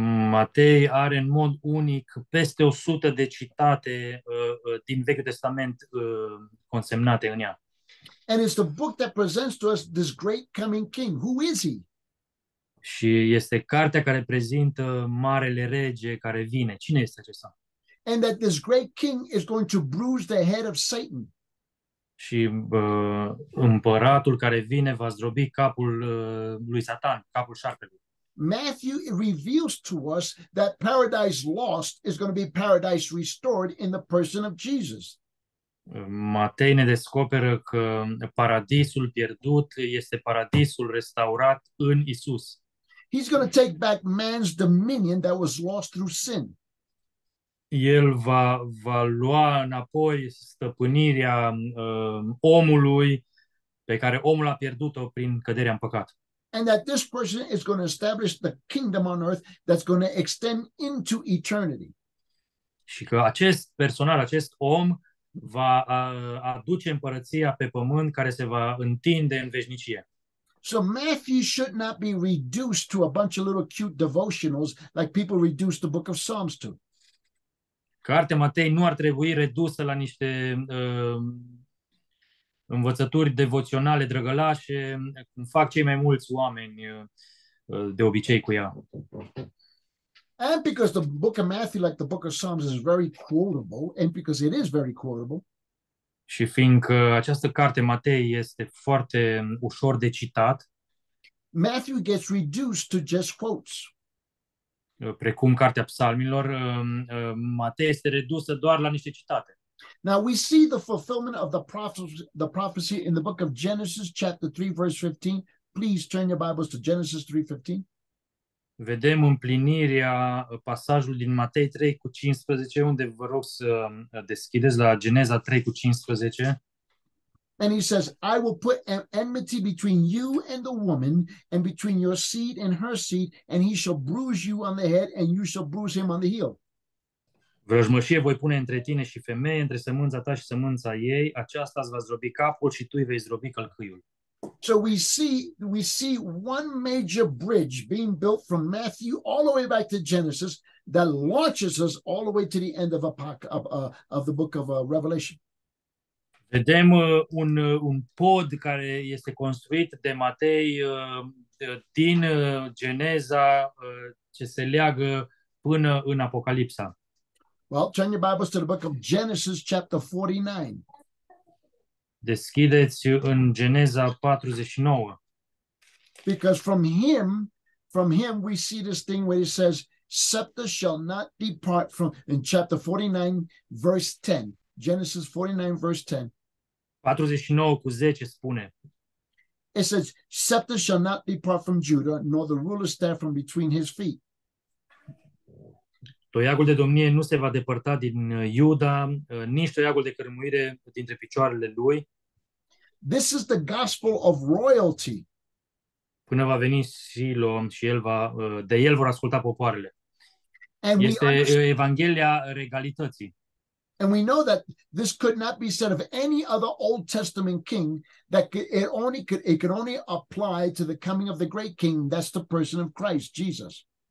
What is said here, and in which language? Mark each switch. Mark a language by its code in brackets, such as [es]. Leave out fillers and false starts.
[ro] Matei are în mod unic peste 100 de citate din Vechiul Testament consemnate în ea. [en] And it's the book that presents to us this great coming king. Who is he? [ro] Și este cartea care prezintă marele rege care vine. Cine este acesta? [en] And that this great king is going to bruise the head of Satan. [ro] Și împăratul care vine va zdrobi capul lui Satan, capul șarpelui. [en] Matthew reveals to us that paradise lost is going to be paradise restored in the person of Jesus. [ro] Matei ne descoperă că paradisul pierdut este paradisul restaurat în Isus. [en] He's going to take back man's dominion that was lost through sin. [ro] El va lua înapoi stăpânirea omului pe care omul a pierdut-o prin căderea în păcat. [en] And that this person is going to establish the kingdom on earth that's going to extend into eternity. [ro] Și că acest personal, acest om va aduce împărăția pe pământ care se va întinde în veșnicie. [en] So Matthew should not be reduced to a bunch of little cute devotionals like people reduce the book of Psalms to. [ro] Cartea Matei nu ar trebui redusă la niște învățături devoționale drăgălașe, cum fac cei mai mulți oameni de obicei cu ea. [en] And because the book of Matthew, like the book of Psalms, is very quotable, and because it is very quotable. [ro] Și fiindcă această carte Matei este foarte ușor de citat. [en] Matthew gets reduced to just quotes. [ro] Precum cartea Psalmilor, Matei este redusă doar la niște citate. [en] Now we see the fulfillment of the prophecy in the book of Genesis chapter 3 verse 15. Please turn your Bibles to Genesis 3:15. [ro] Vedem împlinirea pasajului din Matei 3 cu 15, unde vă rog să deschideți la Geneza 3 cu 15. [en] And he says, I will put an enmity between you and the woman, and between your seed and her seed, and he shall bruise you on the head, and you shall bruise him on the heel. [ro] Vrăjmășie voi pune între tine și femeie, între sămânța ta și sămânța ei, aceasta îți va zdrobi capul și tu îi vei zdrobi călcâiul. [en] So we see one major bridge being built from Matthew all the way back to Genesis that launches us all the way to the end of the book of Revelation. [ro] Vedem un pod care este construit de Matei din Geneza ce se leagă până în Apocalipsa. [en] Well, turn your Bibles to the book of Genesis chapter 49. [ro] Deschideți în Geneza 49. [en] Because from him we see this thing where it says scepter shall not depart from in chapter 49 verse 10. Genesis 49 verse 10. [ro] 49 cu 10 spune. [en] It says scepter shall not depart from Judah nor the ruler's staff from between his feet. [ro] Toiagul de domnie nu se va depărta din Iuda, nici toiagul de cărmuire dintre picioarele lui. [en] This is the gospel of royalty. [ro] Până va veni Silo și el va, de el vor asculta popoarele. And este Evanghelia regalității. [en] And we know that this could not be said of any other Old Testament king, that it could only apply to the coming of the great king, that's the person of Christ, Jesus.